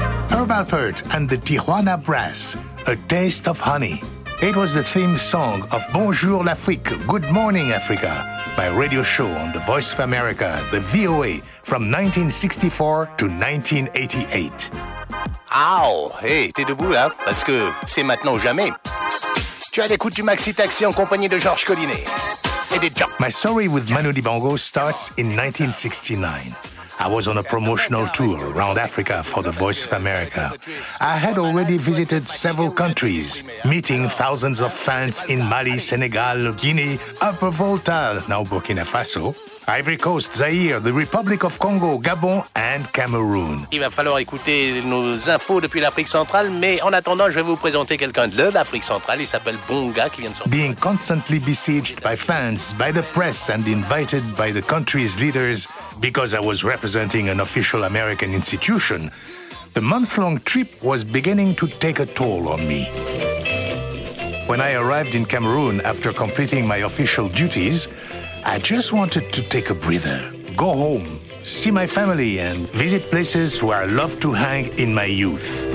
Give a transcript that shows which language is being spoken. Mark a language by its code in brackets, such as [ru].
[en] Herb Alpert and the Tijuana Brass, A Taste of Honey. It was the theme song of Bonjour l'Afrique, Good Morning Africa, my radio show on the Voice of America, the VOA, from 1964 to 1988. [fr] Ow! Hey, t'es debout là? Parce que c'est maintenant ou jamais. Tu as l'écoute du Maxi Taxi en compagnie de Georges Collinet. Et des gens. [en] My story with Manu Dibango starts in 1969. I was on a promotional tour around Africa for the Voice of America. I had already visited several countries, meeting thousands of fans in Mali, Senegal, Guinea, Upper Volta, now Burkina Faso, Ivory Coast, Zaire, the Republic of Congo, Gabon, and Cameroon. [fr] Il va falloir écouter nos infos depuis l'Afrique centrale, mais en attendant, je vais vous présenter quelqu'un de l'Afrique centrale. Il s'appelle Bonga, qui vient de sortir. [en] Being constantly besieged by fans, by the press, and invited by the country's leaders, because I was representing an official American institution, the month-long trip was beginning to take a toll on me. When I arrived in Cameroon after completing my official duties, I just wanted to take a breather, go home, see my family, and visit places where I loved to hang in my youth.